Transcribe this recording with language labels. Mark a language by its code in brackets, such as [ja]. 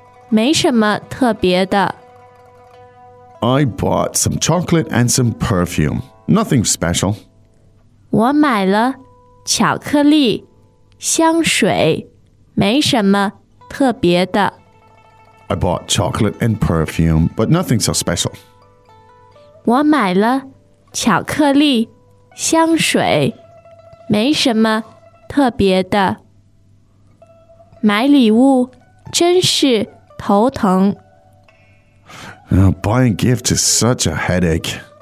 [zh] 没什么特别的。 [en] I bought some chocolate and some perfume. Nothing special. [zh] 我买了巧克力、香水。没什么特别的。 [en] I bought chocolate and perfume, but nothing so special. [zh] 我买了巧克力、香水。没什么特别的。特别的。买礼物真是头疼。 [en] Buying gifts is such a headache.